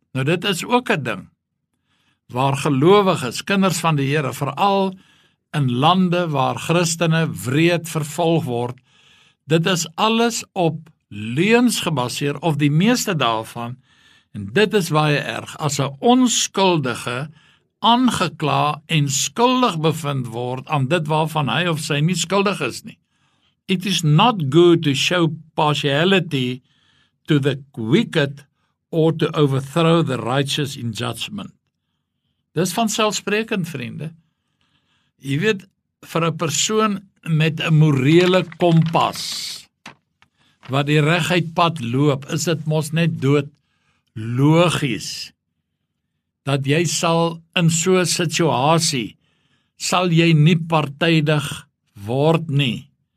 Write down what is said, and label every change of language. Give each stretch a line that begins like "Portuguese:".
Afrikaans: Nou dit is ook 'n ding waar gelowiges, kinders van die Here, veral in lande waar Christene wreed vervolg word, dit is alles op leuns gebaseer of die meeste daarvan, en dit is baie erg as 'n onskuldige aangekla en skuldig bevind word aan dit waarvan hy of sy nie skuldig is nie.
English: It is not good to show partiality to the wicked or to overthrow the righteous in judgment.
Afrikaans: Dis vanselfsprekend, vriende. Jy weet, vir 'n persoon met 'n morele kompas wat die regheid pad loop, is dit mos net dood logies dat jy sal in so 'n situasie sal jy nie partydig word nie.